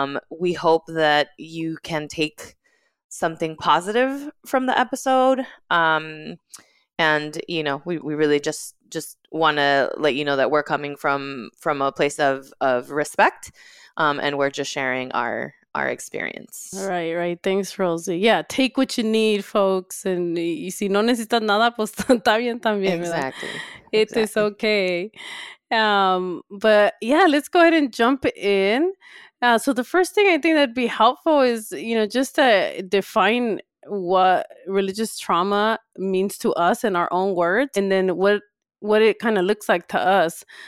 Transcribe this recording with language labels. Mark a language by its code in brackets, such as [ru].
[en] We hope that you can take something positive from the episode. And, you know, we really just want to let you know that we're coming from a place of respect, and we're just sharing our experience. Right. Thanks, Rosie. Yeah, take what you need, folks. And [es] si no necesitas nada, pues está bien también. [en] Exactly. It is okay. But yeah, let's go ahead and jump in. So the first thing I think that'd be helpful is, you know, just to define what religious trauma means to us in our own words, and then what it kind of looks like to us.